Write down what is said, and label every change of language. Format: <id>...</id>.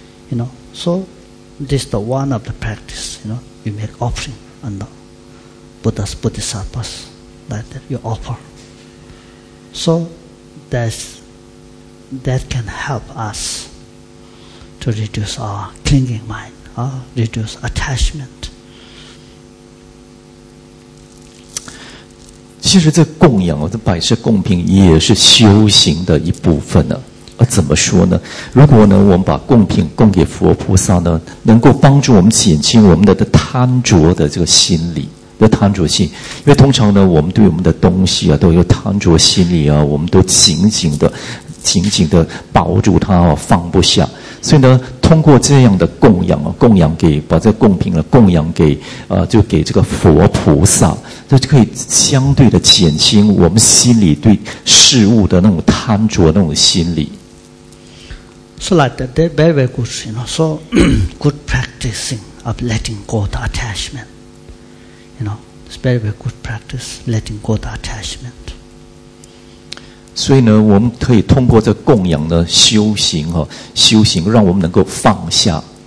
<en>You know, so this is the one of the practice, you know, you make offering on the Buddhas, Bodhisattvas, like that, you offer. So that can help us to reduce our clinging mind, reduce attachment.</en> <zh>其实这供养这摆设供品也是修行的一部分呢、啊、怎么说呢，如果呢我们把供品供给佛菩萨呢，能够帮助我们减轻我们的贪着的这个心理的贪着性，因为通常呢我们对我们的东西啊都有贪着心理啊，我们都紧紧的抱住它、啊、放不下，所以呢通过这样的供养、啊、供养给把这个供品、啊、供养给就给这个佛菩萨，这就可以相对的减轻我们心里对事物的那种贪着那种心理。</zh> <en>So like that, they're very, very good, you know. So good practicing of letting go the attachment. You know, it's very, very good practice letting go the attachment.</en> <zh>所以呢，我们可以通过这供养呢修行哈、啊，修行让我们能够放下。</zh>